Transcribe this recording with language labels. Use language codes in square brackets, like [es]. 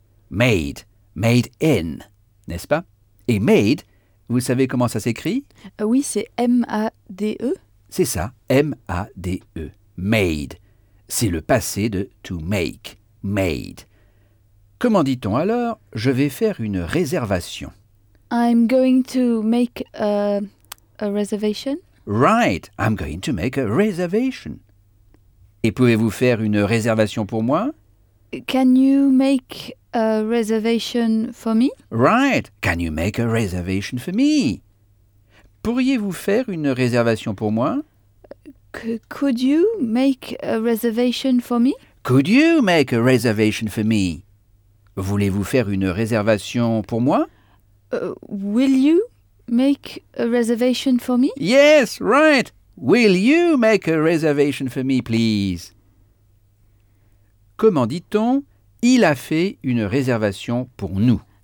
[fr] Made, made in, n'est-ce pas? Et made, vous savez comment ça s'écrit? Oui, c'est M-A-D-E. C'est ça, M-A-D-E, made. C'est le passé de to make, made. Comment dit-on alors, je vais faire une réservation? [en] I'm going to make a reservation. Right, I'm going to make a reservation. [fr] Et pouvez-vous faire une réservation pour moi? [en] Can you make a reservation for me? Right, can you make a reservation for me? [fr] Pourriez-vous faire une réservation pour moi? [en] Could you make a reservation for me? Could you make a reservation for me? [fr] Voulez-vous faire une réservation pour moi? [en] Will you make a reservation for me? Yes, right. Will you make a reservation for me, please? [fr] Comment dit-on? Il a fait une réservation pour nous.